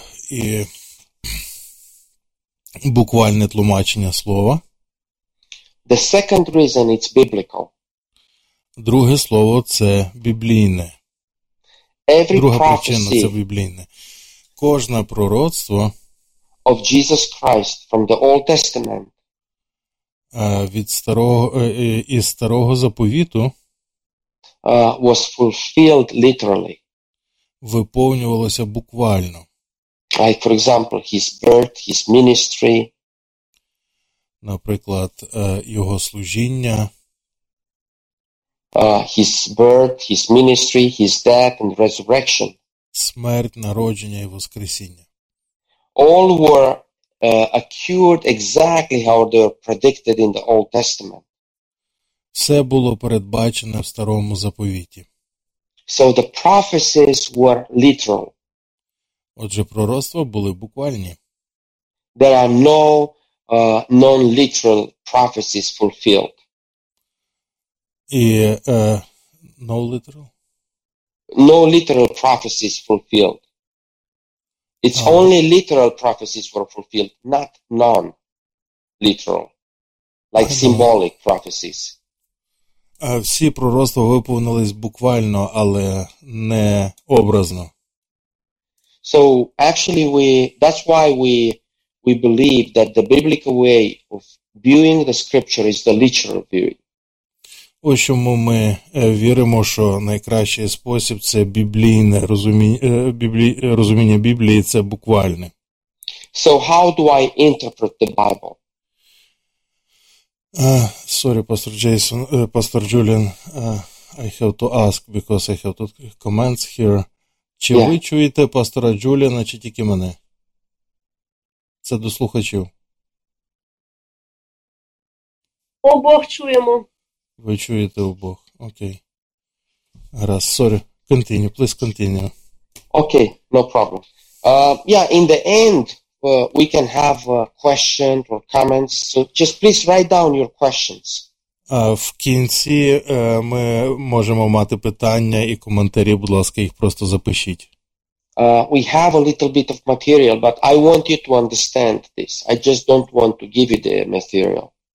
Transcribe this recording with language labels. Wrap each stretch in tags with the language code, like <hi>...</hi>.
<uk>І буквальне тлумачення слова.</uk> <en>The second reason it's biblical.</en> <uk>Друге слово – це біблійне.</uk> <en>Every</en> <uk>друга</uk> <en>prophecy</en> <uk>причина – це біблійне. Кожне пророцтво</uk> <en>of Jesus Christ from the Old Testament</en> <uk>від старого, із старого заповіту</uk> <en>was fulfilled literally.</en> <uk>Виповнювалося буквально.</uk> <en>Like, for example, his birth, his ministry.</en> <uk>Наприклад, його служіння.</uk> <en>His birth, his ministry, his death and resurrection.</en> <uk>Смерть, народження і воскресіння.</uk> <en>All were occurred exactly how they were predicted in the Old Testament.</en> <uk>Все було передбачено в старому заповіті.</uk> <en>So the prophecies were literal.</en> <uk>Отже, пророцтва були буквальні.</uk> <en>There are no non-literal prophecies fulfilled.</en> <uk>І</uk> <en>no literal? No literal prophecies fulfilled. It's only literal prophecies were fulfilled, not non-literal, like symbolic prophecies.</en> <uk>Всі пророцтва виповнились буквально, але не образно.</uk> <en>So actually that's why we believe that the biblical way of viewing the scripture is the literal view.</en> <uk>Ось чому ми віримо, що найкращий спосіб – це біблійне розуміння Біблії – це буквальне.</uk> <en>So how do I interpret the Bible? Sorry, Pastor Jason, Pastor Julian, I have to ask, because I have two comments here.</en> <uk>Чи ви чуєте пастора Джуліана, чи тільки мене? Це до слухачів. Обох чуємо. Ви чуєте обох. Окей. Раз,</uk> <en>sorry. Continue, please continue. Okay, no problem. Yeah, in the end, we can have questions or comments. So just please write down your questions.</en> <uk>В кінці ми можемо мати питання і коментарі, будь ласка, їх просто запишіть.</uk> <en>We have a little bit of material, but I want you to understand this. I just don't want to give you the material.</en>